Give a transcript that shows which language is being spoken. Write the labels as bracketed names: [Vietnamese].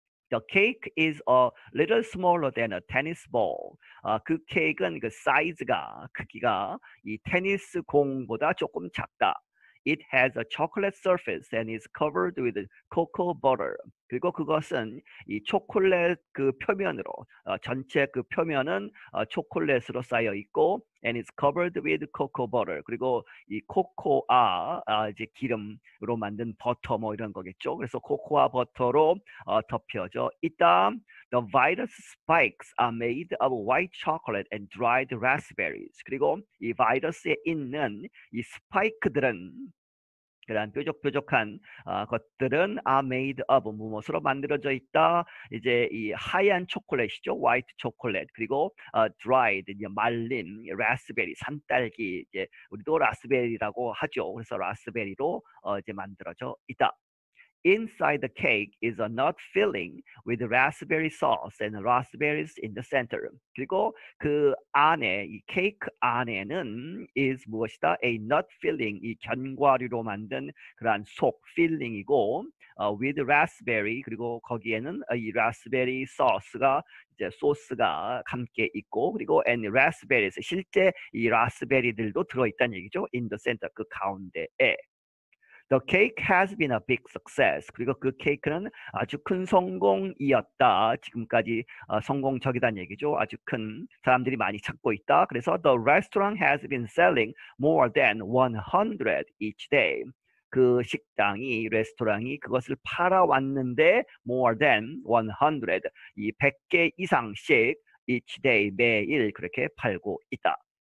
[English] The cake is a little smaller than a tennis ball. [Korean] 그 케이크는 그 사이즈가 크기가 이 테니스 공보다 조금 작다. [English] It has a chocolate surface and is covered with cocoa butter. [Korean] 그리고 그것은 이 초콜릿 그 표면으로 전체 그 표면은 초콜릿으로 쌓여 있고 [English] and is covered with cocoa butter. [Korean] 그리고 이 이제 기름으로 만든 버터 뭐 이런 거겠죠. 그래서 코코아 버터로 덮여져 있다. [English] The virus spikes are made of white chocolate and dried raspberries. [Korean] 그리고 이 바이러스에 있는 이 스파이크들은 그러한 뾰족뾰족한 것들은 [English] are made of [Korean] 무엇으로 만들어져 있다? 이제 이 하얀 초콜릿이죠, [English] white chocolate. [Korean] 그리고 dried, 이제 말린 raspberry, 산딸기. 이제 우리도 라스베리라고 하죠. 그래서 라스베리로 이제 만들어져 있다. [English] Inside the cake is a nut filling with raspberry sauce and raspberries in the center. [Korean] 그리고 그 안에, 이 케이크 안에는 is 무엇이다? [English] A nut filling, [Korean] 이 견과류로 만든 그러한 속 필링이고, [English] with raspberry, [Korean] 그리고 거기에는 이 raspberry 소스가 이제 소스가 함께 있고, 그리고 [English] and raspberries, [Korean] 실제 이 라스베리들도 들어있다는 얘기죠. [English] In the center, [Korean] 그 가운데에. [English] The cake has been a big success. [Korean] 그리고 그 케이크는 아주 큰 성공이었다. 지금까지 성공적이다는 얘기죠. 아주 큰 사람들이 많이 찾고 있다. [English] 그래서 the restaurant has been selling more than 100 each day. [Korean] 그 식당이, 레스토랑이 그것을 팔아왔는데 [English] more than 100. [Korean] 이 100개 이상씩 [English] each day, [Korean] 매일 그렇게 팔고 있다.